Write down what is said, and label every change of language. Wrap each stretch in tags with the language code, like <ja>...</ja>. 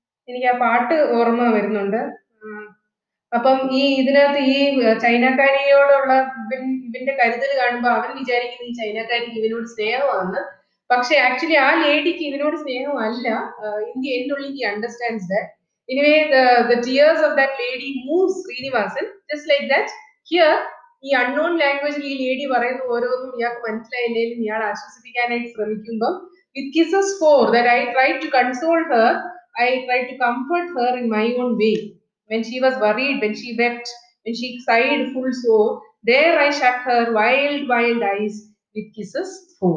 <ml>എനിക്ക് ആ പാട്ട് ഓർമ്മ വരുന്നുണ്ട്. അപ്പം ഈ ഇതിനകത്ത് ഈ ചൈനക്കാരിയോടുള്ള ഇവന്റെ കരുതൽ കാണുമ്പോൾ അവൻ വിചാരിക്കുന്ന ഈ ചൈനക്കാരിക്ക് ഇവനോട് സ്നേഹമാണെന്ന്. പക്ഷെ ആക്ച്വലി ആ ലേഡിക്ക് ഇവനോട് സ്നേഹമല്ല. India എന്നുള്ളി understands that.</ml> <en>Anyway, the tears of that lady moves Srinivasan. Just like that, here,</en> <ml>ഈ അൺനോൺ ലാംഗ്വേജിൽ ഈ ലേഡി പറയുന്ന ഓരോന്നും ഇയാൾക്ക് മനസ്സിലായില്ലെങ്കിലും ഇയാൾ ആശ്വസിപ്പിക്കാനായിട്ട് ശ്രമിക്കുമ്പോൾ</ml> <en>With kisses for that I try to console her, I try to comfort her in my own way. When she was worried, when she wept, when she sighed full sore, there I shut her wild wild eyes with kisses four.</en>